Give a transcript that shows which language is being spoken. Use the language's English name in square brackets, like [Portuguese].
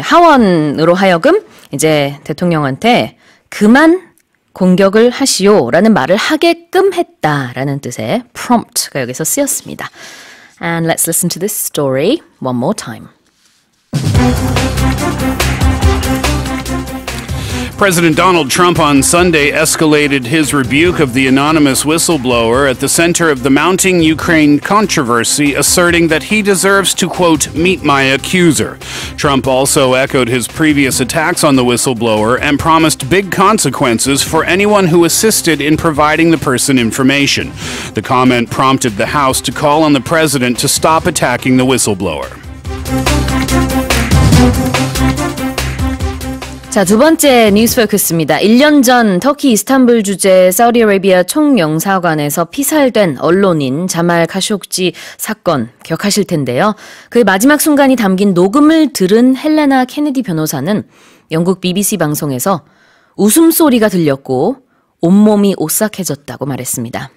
[Korean] 네, 하원으로 하여금 이제 대통령한테 그만 공격을 하시오라는 말을 하게끔 했다라는 뜻의 prompt가 여기서 쓰였습니다. [English] And let's listen to this story one more time. President Donald Trump on Sunday escalated his rebuke of the anonymous whistleblower at the center of the mounting Ukraine controversy, asserting that he deserves to, quote, meet my accuser. Trump also echoed his previous attacks on the whistleblower and promised big consequences for anyone who assisted in providing the person information. The comment prompted the House to call on the president to stop attacking the whistleblower. [Korean] 자, 두 번째 뉴스 포커스입니다. 1년 전 터키 이스탄불 주재 사우디아라비아 총영사관에서 피살된 언론인 자말 카쇼크지 사건 기억하실 텐데요. 그 마지막 순간이 담긴 녹음을 들은 헬레나 케네디 변호사는 영국 BBC 방송에서 웃음소리가 들렸고 온몸이 오싹해졌다고 말했습니다.